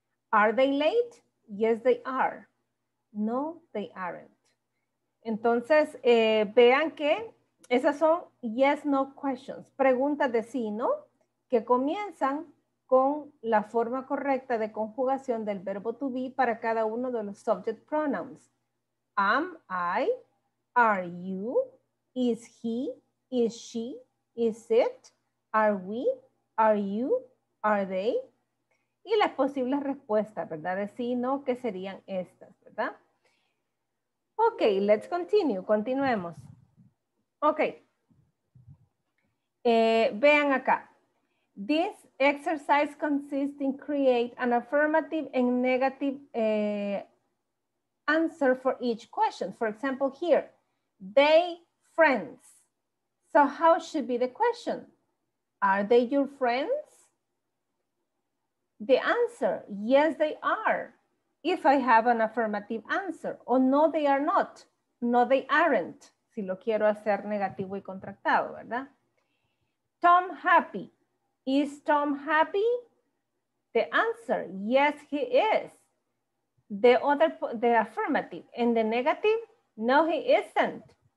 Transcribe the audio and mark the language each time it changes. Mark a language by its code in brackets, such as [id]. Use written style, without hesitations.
[en] Are they late? Yes, they are. No, they aren't. [es] Entonces, vean que esas son yes, no questions, preguntas de sí, ¿no? Que comienzan con la forma correcta de conjugación del verbo to be para cada uno de los subject pronouns. [en] Am I, are you, is he, is she, is it, are we, are you, are they. [es] Y las posibles respuestas, ¿verdad? De sí, ¿no? Que serían estas, ¿verdad? [en] Ok, let's continue, [es] continuemos. [en] Ok, [es] vean acá, [en] this exercise consists in create an affirmative and negative answer for each question. For example, here, they friends. So how should be the question? Are they your friends? The answer, yes, they are. If I have an affirmative answer, or no, they are not. No, they aren't. [es] Si lo quiero hacer negativo y contractado, ¿verdad? [en] Tom happy. Is Tom happy? The answer, yes, he is. The affirmative. And the negative, no, he isn't.